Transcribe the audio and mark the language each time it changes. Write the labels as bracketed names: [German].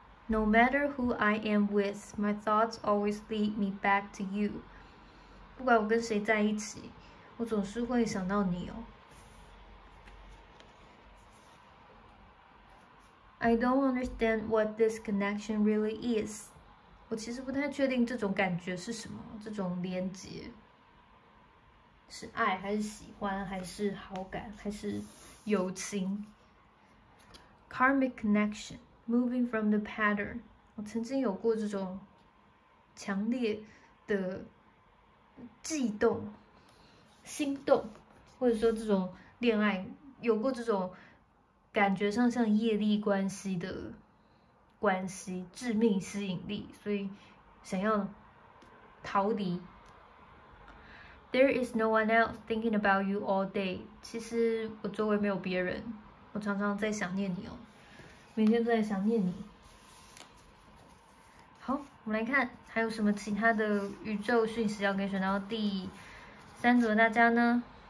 [English] No matter who I am with, my thoughts always lead me back to you。 [Chinese] 不管我跟谁在一起，我总是会想到你哦。 [English] I don't understand what this connection really is。 [Chinese] 我其实不太确定这种感觉是什么，这种连结，是爱还是喜欢，还是好感，还是友情 ？ [English] Karmic connection, moving from the pattern。 [Chinese] 我曾经有过这种强烈的悸动、心动，或者说这种恋爱，有过这种。感觉上像业力关系的关系，致命吸引力，所以想要逃离。 [English] There is no one else thinking about you all day。 [Chinese] 其实我周围没有别人，我常常在想念你哦，每天都在想念你。好，我们来看还有什么其他的宇宙讯息要给选到第三组的大家呢？